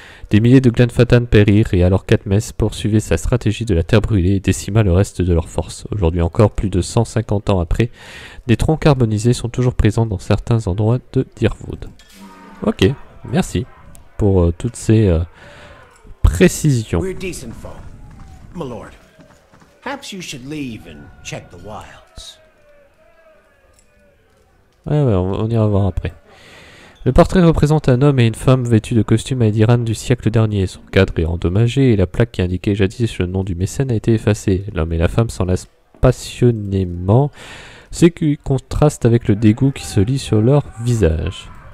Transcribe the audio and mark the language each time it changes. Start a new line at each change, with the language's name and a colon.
French: Des milliers de clans Fatan périrent et alors qu'Admet poursuivait sa stratégie de la terre brûlée et décima le reste de leurs forces. Aujourd'hui encore, plus de 150 ans après, des troncs carbonisés sont toujours présents dans certains endroits de Dirwood. Ok, merci pour toutes ces précisions.
English: We're decent folk, my lord. Perhaps you should leave and check the wilds.
French: Ouais, on ira voir après. Le portrait représente un homme et une femme vêtus de costumes Aediran du siècle dernier. Son cadre est endommagé et la plaque qui indiquait jadis le nom du mécène a été effacée. L'homme et la femme s'enlacent passionnément, ce qui contraste avec le dégoût qui se lit sur leur visage.